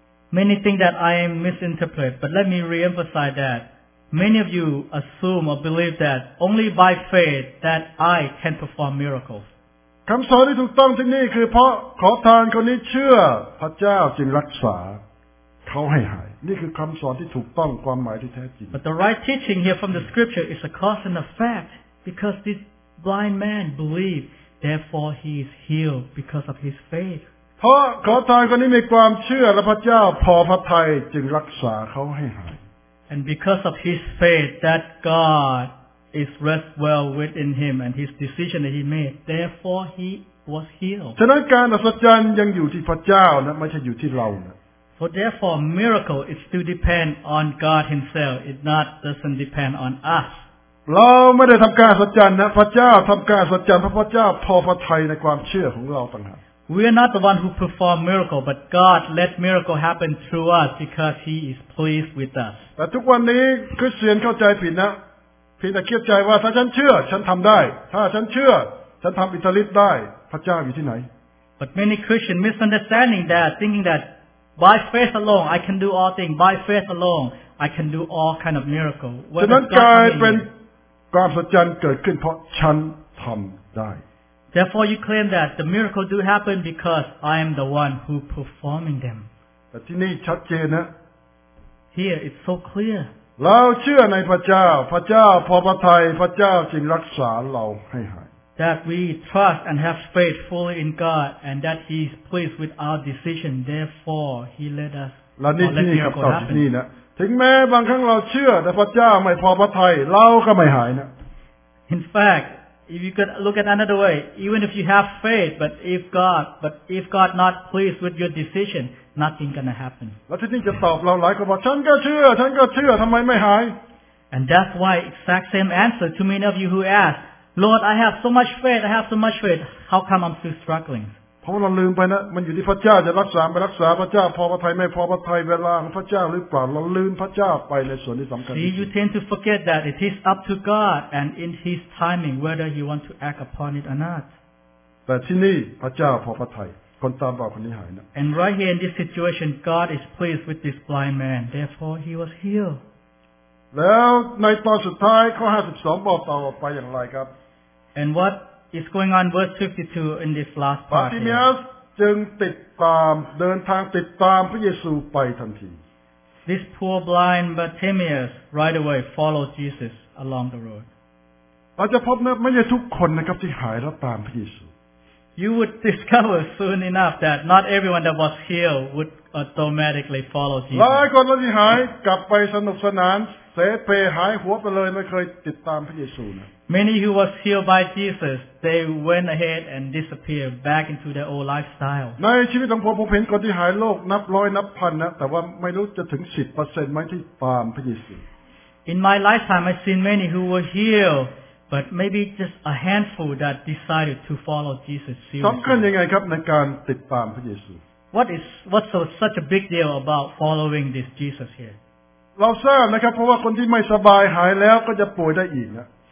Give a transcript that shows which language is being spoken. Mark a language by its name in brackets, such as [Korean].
[English] Many think that I am misinterpreted but let me re-emphasize thatMany of you assume or believe that only by faith that I can perform miracles [Thai] คำสอนที่ถูกต้องที่นี่คือเพราะขอทานคนนี้เชื่อพระเจ้าจึงรักษาเขาให้หายนี่คือคำสอนที่ถูกต้องความหมายที่แท้จริง [English] But the right teaching here from the scripture is a cause and effect because this blind man believed therefore he is healed because of his faith [Thai] เพราะขอทานคนนี้มีความเชื่อและพระเจ้าพอพระทัยจึงรักษาเขาให้หาย [English] And because of his faith that GodIs rest well within him and his decision that he made. Therefore, he was healed. [Thai] ฉะนั้นการอัศจรรย์ยังอยู่ที่พระเจ้านะไม่ใช่อยู่ที่เรานะ [English] So therefore, miracle it still depend on God Himself. It not doesn't depend on us. [Thai] เราไม่ได้ทำการอัศจรรย์นะพระเจ้าทำการอัศจรรย์พระเจ้าพอพระทัยในความเชื่อของเราต่างหาก [English] We are not the one who perform miracle, but God let miracle happen through us because He is pleased with us. [Thai] แต่ทุกวันนี้คริสเตียนเข้าใจผิดนะเพียงแต่เคียดใจว่าถ้าฉันเชื่อฉันทำได้ถ้าฉันเชื่อฉันทำอิทธิฤทธิ์ได้พระเจ้าอยู่ที่ไหน [English] But many Christians misunderstanding that thinking that by faith alone I can do all things by faith alone I can do all kind of miracle [Thai] ฉะนั้นกลายเป็นความสัจจันเกิดขึ้นเพราะฉันทำได้ [English] Therefore you claim that the miracle do happen because I am the one who performing them [Thai] แต่ที่นี่ชัดเจนนะ [English] Here it's so clear [Thai] เราเชื่อในพระเจ้าพระเจ้าพอพระทัยพระเจ้าจึงรักษาเราให้หาย [English] That we trust and have faith fully in God and that He is pleased with our decision therefore He let us [Thai] และนี่ที่นี่ครับตอนที่นี่นะ ถึงแม้บางครั้งเราเชื่อแต่พระเจ้าไม่พอพระทัยเราก็ไม่หายนะ [English] In fact if you could look at another way even if you have faith but if God not pleased with your decision nothing gonna happen [Thai] แล้วที่นี่จะตอบเราหลายคนว่าฉันก็เชื่อฉันก็เชื่อทำไมไม่หาย [English] And that's why exact same answer to many of you who ask Lord I have so much faith how come I'm still struggling [Thai] เพราะเราลืมไปนะมันอยู่ที่พระเจ้าจะรักษาไปรักษาพระเจ้าพอพระทัยไม่พอพระทัยเวลาของพระเจ้าหรือเปล่าเราลืมพระเจ้าไปในส่วนที่สำคัญ [English] See you tend to forget that it is up to God and in His timing whether you want to act upon it or not [Thai] แต่ที่นี่พระเจ้าพอพระทัยคนตาบอดคนนี้หายนะ [English] And right here in this situation God is pleased with this blind man therefore he was healed [Thai] แล้วในตอนสุดท้ายข้อ52บอกต่อไปอย่างไรครับ [English] And whatIs going on verse 52 in this last part. [Thai] Bartimaeus จึงติดตามเดินทางติดตามพระเยซูไปทันที [English] This poor blind Bartimaeus right away followed Jesus along the road. [Thai] เราจะพบนะไม่ใช่ทุกคนนะครับที่หายแล้วตามพระเยซู [English] You would discover soon enough that not everyone that was healed would automatically follow Jesus. [Thai] หลายคนที่หายกลับไปสนุกสนานเสเปหายหัวไปเลยไม่เคยติดตามพระเยซูนะ [English] Many who was healed by Jesus, they went ahead and disappeared back into their old lifestyle. [Thai] ในชีวิตของผมเห็นคนที่หายโรคนับร้อยนับพันนะแต่ว่าไม่รู้จะถึง 10% มั้ยที่ตามพระเยซู [English] In my lifetime I've seen many who were healed, but maybe just a handful that decided to follow Jesus seriously. [Thai] สำคัญยังไงครับในการติดตามพระเยซู [English] What's so such a big deal about following this Jesus here? [Thai] เราทราบนะครับเพราะว่าคนที่ไม่สบายหายแล้วก็จะป่วยได้อีกนะ